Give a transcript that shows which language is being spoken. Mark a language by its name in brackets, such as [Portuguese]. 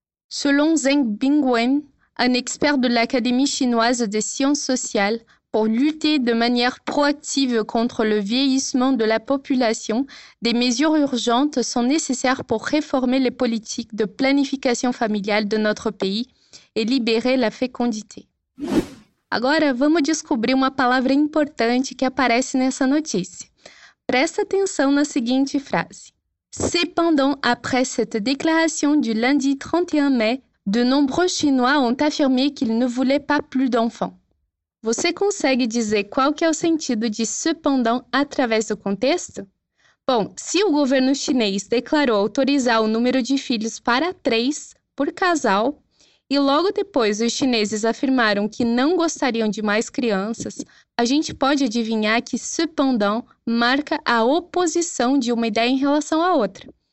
[French] Selon Zheng Bingwen, un expert de l'Académie chinoise des sciences sociales, pour lutter de manière proactive contre le vieillissement de la population, des mesures urgentes sont nécessaires pour réformer les politiques de planification familiale de notre pays et libérer la fécondité. [Portuguese] Agora vamos descobrir uma palavra importante que aparece nessa notícia. Presta atenção na seguinte frase. [French] Cependant, après cette déclaration du lundi 31 mai, de nombreux Chinois ont affirmé qu'ils ne voulaient pas plus d'enfants. [Portuguese] Você consegue dizer qual que é o sentido de cependant através do contexto? Bom, se o governo chinês declarou autorizar o número de filhos para 3 por casal, e logo depois os chineses afirmaram que não gostariam de mais crianças, a gente pode adivinhar que cependant marca a oposição de uma ideia em relação à outra.